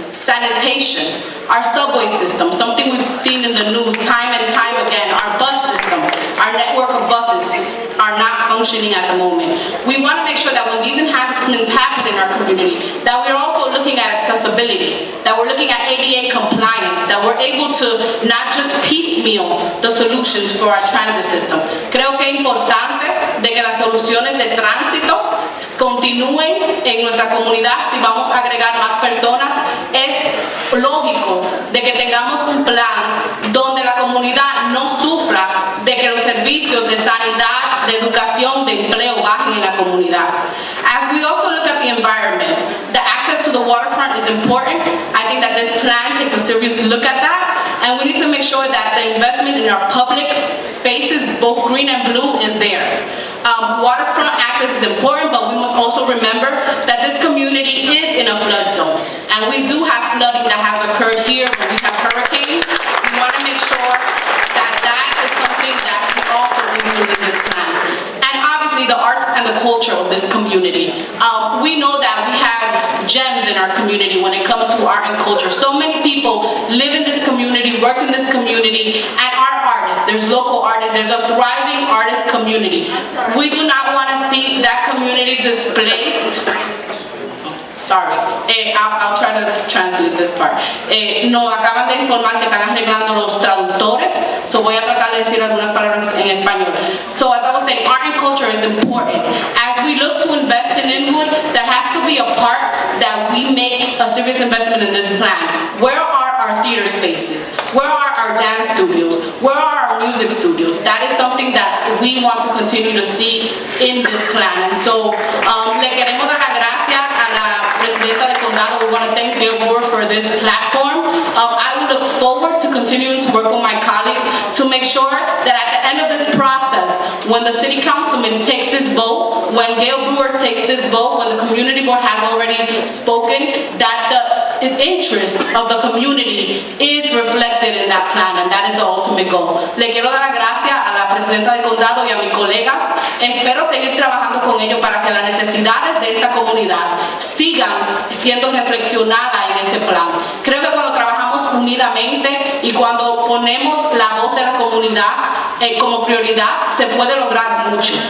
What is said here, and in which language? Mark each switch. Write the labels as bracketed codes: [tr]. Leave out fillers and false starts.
[en] Sanitation, our subway system, something we've seen in the news time and time again, our bus system, our network of buses are not functioning at the moment. We want to make sure that when these enhancements happen in our community, that we're also looking at accessibility, that we're looking at ADA compliance, that we're able to not just piecemeal the solutions for our transit system. [es] Creo que es importante de que las soluciones de tránsito continúen en nuestra comunidad si vamos a agregar más personas. Es lógico de que tengamos un plan donde la comunidad no sufra de que los servicios de sanidad, de educación, de empleo bajen en la comunidad. [en] As we also look at the environment, the access to the waterfront is important. I think that this plan takes a serious look at that, and we need to make sure that the investment in our public spaces, both green and blue, is there. Waterfront access is important, but we must also remember that this community is in a flood zone. And we do have flooding that has occurred here when we have hurricanes. We want to make sure that that is something that we also include in this plan. And obviously the arts and the culture of this community. We know that we have gems in our community when it comes to art and culture. So many people live in this community, work in this community, and there's local artists, there's a thriving artist community. We do not want to see that community displaced. Sorry, I'll try to translate this part. [es] No, acaban de informar que están arreglando los traductores, so voy a tratar de decir algunas palabras en español. [en] So as I was saying, art and culture is important. As we look to invest in Inwood, there has to be a part that we make a serious investment in this plan. Where are our theater spaces? Where are our dance studios? Where are our music studios? That is something that we want to continue to see in this plan. And so, [es] le queremos dar las gracias a la presidenta del condado. [en] We want to thank their board for this platform. I will look forward to continuing to work with my colleagues to make sure that at the end of this process, when the city councilman takes this vote, when Gale Brewer takes this vote, when the community board has already spoken, that the interest of the community is reflected in that plan, and that is the ultimate goal. [es] Le quiero dar las gracias a la presidenta del condado y a mis colegas. Espero seguir trabajando con ellos para que las necesidades de esta comunidad sigan siendo reflexionadas en ese plan. Creo que cuando trabajamos unidamente y cuando ponemos la voz de la comunidad como prioridad, se puede lograr mucho.